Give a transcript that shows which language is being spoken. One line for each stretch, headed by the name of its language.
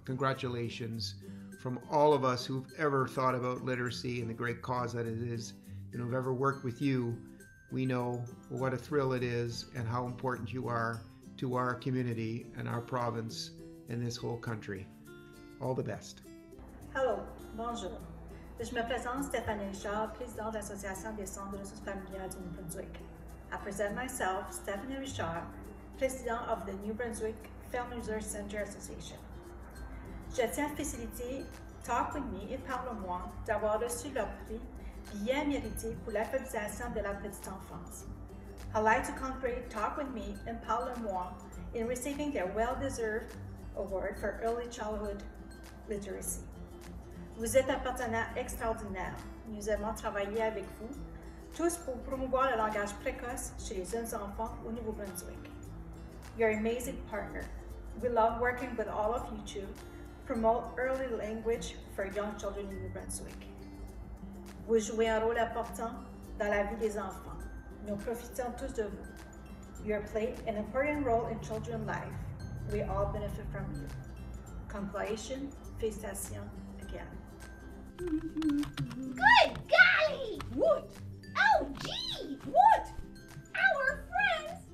English: Congratulations from all of us who've ever thought about literacy and the great cause that it is. And who've ever worked with you, we know what a thrill it is and how important you are to our community and our province and this whole country. All the best. Hello,
French: bonjour. Je me présente Stéphanie Richard, présidente de l'Association des centres de ressources familiales du New Brunswick.
English: I present myself, Stéphanie Richard, présidente of the New Brunswick Family Resource Center Association.
French: Je tiens à faciliter Talk With Me et Parle-moi d'avoir reçu le prix bien mérité pour l'alphabétisation de la petite enfance.
English: I'd like to congratulate Talk With Me and Parle-moi in receiving their well-deserved award for early childhood literacy.
French: Vous êtes un partenaire extraordinaire. Nous aimons travailler avec vous tous pour promouvoir le langage précoce chez les jeunes enfants au Nouveau-Brunswick.
English: You're an amazing partner. We love working with all of you to promote early language for young children in New Brunswick.
French: Vous jouez un rôle important dans la vie des enfants. Nous profitons tous de vous.
English: You play an important role in children's life. We all benefit from you. Congratulations, félicitations again. Good golly! What? Oh, gee! What? Our friends!